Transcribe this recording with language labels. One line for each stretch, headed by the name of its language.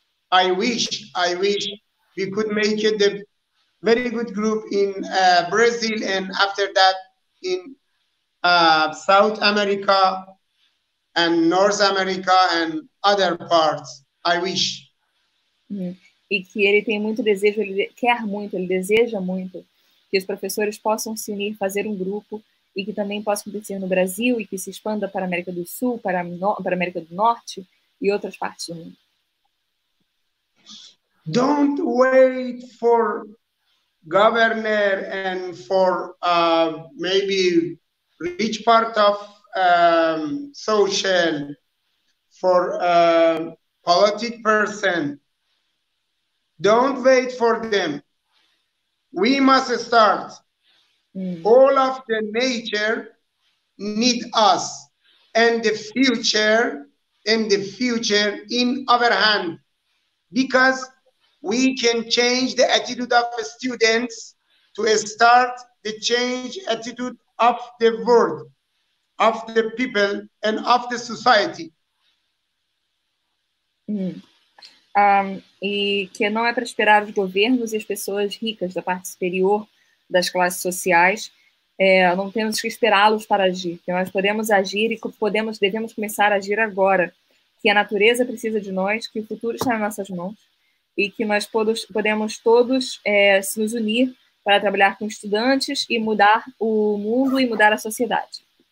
English: I wish we could make it a very good group in Brazil and after that in South America and North America and other parts. I wish.
Portuguese: E que ele tem muito desejo, ele quer muito, ele deseja muito que os professores possam se unir, fazer um grupo e que também possa acontecer no Brasil e que se expanda para a América do Sul, para para a América do Norte e outras partes do mundo.
English: Don't wait for governor and for maybe rich part of social for politic person. Don't wait for them. We must start. All of the nature need us, and the future in our hand, because we can change the attitude of the students to start the change attitude of the world, of the people, and of the society.
Portuguese: E que não é para esperar os governos e as pessoas ricas da parte superior das classes sociais, não temos que esperá-los para agir, que nós podemos agir e devemos começar a agir agora, que a natureza precisa de nós, que o futuro está nas nossas mãos e que nós podemos todos se nos unir para trabalhar com estudantes e mudar o mundo e mudar a sociedade.